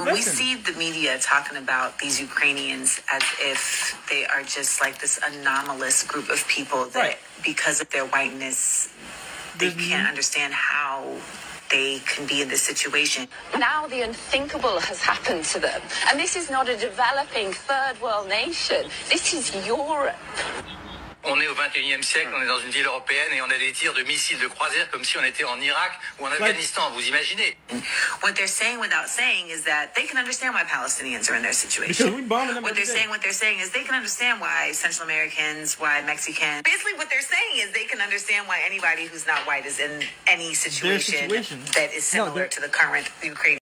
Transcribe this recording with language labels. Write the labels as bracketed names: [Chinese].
[English] We see the media talking about these Ukrainians as if they are just like this anomalous group of people that, right, because of their whiteness, they can't understand how they can be in this situation. Now the unthinkable has happened to them. And this is not a developing third world nation. This is Europe. [French] On est au 21e siècle, on est dans une ville européenne et on a des tirs de missiles de croisière comme si on était en Irak ou en Afghanistan, vous imaginez. [English] What they're saying without saying is that they can understand why Palestinians are in their situation. What they're saying is they can understand why Central Americans, why Mexicans. Basically what they're saying is they can understand why anybody who's not white is in any situation that is similar to the current Ukraine.